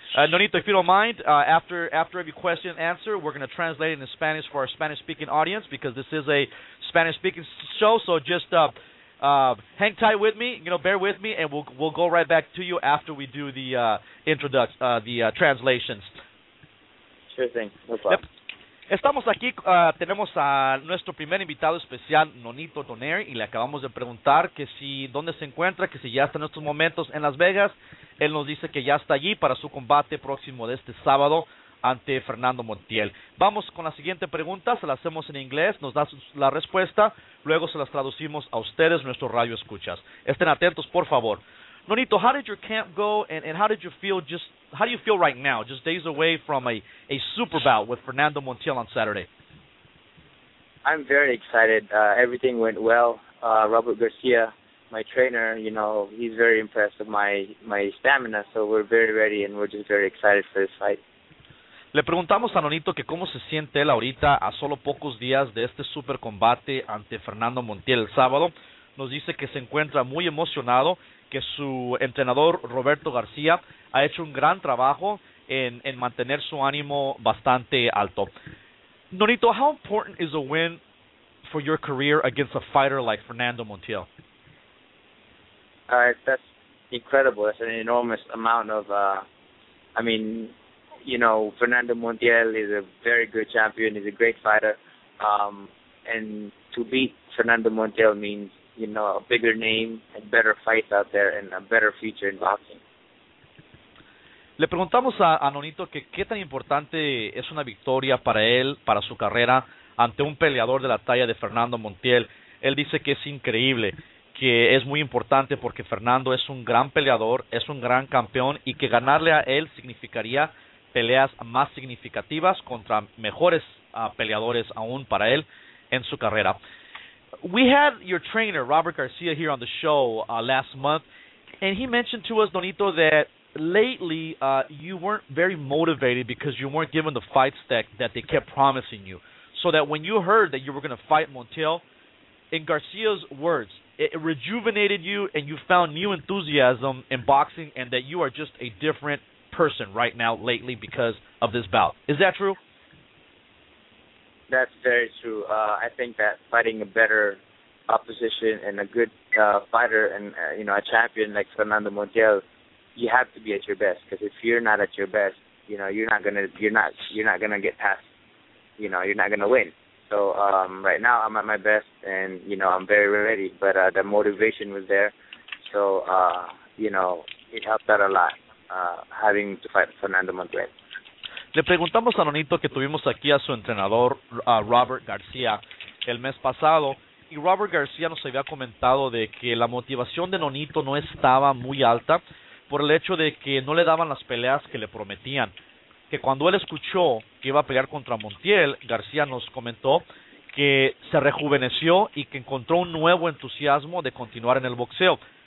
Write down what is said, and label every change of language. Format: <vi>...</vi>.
<en>Nonito, if you don't mind, after every question and answer, we're going to translate it into Spanish for our Spanish-speaking audience because this is a Spanish-speaking show, so just hang tight with me, bear with me, and we'll go right back to you after we do the translations. Sure thing, no Yep. problem.</en> <es>Estamos aquí, tenemos a nuestro primer invitado especial, Nonito Donaire, y le acabamos de preguntar que si dónde se encuentra, que si ya está en estos momentos en Las Vegas. Él nos dice que ya está allí para su combate próximo de este sábado ante Fernando Montiel. Vamos con la siguiente pregunta, se la hacemos en inglés, nos da la respuesta, luego se las traducimos a ustedes, nuestro radio escuchas. Estén atentos, por favor.</es> <en>Nonito, how did your camp go and how did you feel just how do you feel right now, just days away from a super bout with Fernando Montiel on Saturday? I'm very excited. Everything went well. Robert Garcia, my trainer, he's very impressed with my stamina, so we're very ready and we're just very excited for this fight.</en> <es>Le preguntamos a Nonito que cómo se siente él ahorita a solo pocos días de este super combate ante Fernando Montiel el sábado. nos dice que se encuentra muy emocionado, que su entrenador Roberto García ha hecho un gran trabajo en mantener su ánimo bastante alto.</es> <en>Nonito, how important is a win for your career against a fighter like Fernando Montiel? That's incredible. That's an enormous amount of, you know, Fernando Montiel is a very good champion. He's a great fighter. And to beat Fernando Montiel means, you know, a bigger name and better fights out there and a better future in boxing.</en> <es>Le preguntamos a Nonito que qué tan importante es una victoria para él, para su carrera, ante un peleador de la talla de Fernando Montiel. Él dice que es increíble, que es muy importante porque Fernando es un gran peleador, es un gran campeón, y que ganarle a él significaría peleas más significativas contra mejores peleadores aún para él en su carrera.</es> <en>We had your trainer, Robert Garcia, here on the show last month, and he mentioned to us, Nonito, that lately, you weren't very motivated because you weren't given the fights that they kept promising you. So that when you heard that you were going to fight Montiel, in Garcia's words, it rejuvenated you and you found new enthusiasm in boxing and that you are just a different person right now lately because of this bout. Is that true? That's very true. I think that fighting a better opposition and a good fighter and you know, a champion like Fernando Montiel, you have to be at your best, because if you're not at your best, you know, you're not gonna get past, you know, you're not gonna win. So right now I'm at my best, and you know, I'm very ready. But the motivation was there, so you know, it helped out a lot having to fight Fernando Montiel.</en> <es>Le preguntamos a Nonito, que tuvimos aquí a su entrenador Robert García el mes pasado, y Robert García nos había comentado de que la motivación de Nonito no estaba muy alta por el hecho de que no le daban las peleas que le prometían. Que cuando él escuchó que iba a pelear contra Montiel, García nos comentó que se rejuveneció y que encontró un nuevo entusiasmo de continuar en el boxeo.</es>